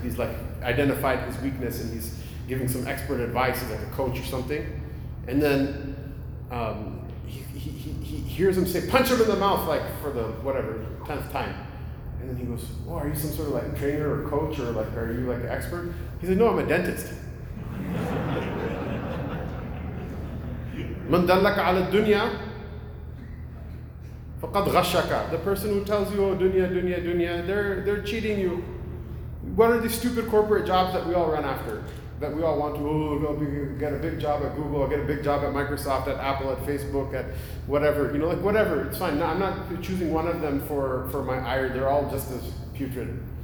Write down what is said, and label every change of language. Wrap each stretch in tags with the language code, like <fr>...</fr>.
<en>He's like, identified his weakness and he's giving some expert advice, he's like a coach or something. And then he hears him say, punch him in the mouth, like for the, whatever, 10th time. And then he goes, oh, are you some sort of like trainer or coach or like, are you like an expert? He said, no, I'm a dentist.</en> <ar>من دلك على الدنيا فقد غشك.</ar> <en>The person who tells you, oh, dunya, dunya, dunya, they're cheating you. What are these stupid corporate jobs that we all run after? That we all want to, get a big job at Google, I'll get a big job at Microsoft, at Apple, at Facebook, at whatever, you know, like whatever, it's fine. No, I'm not choosing one of them for my ire, they're all just as putrid.</en>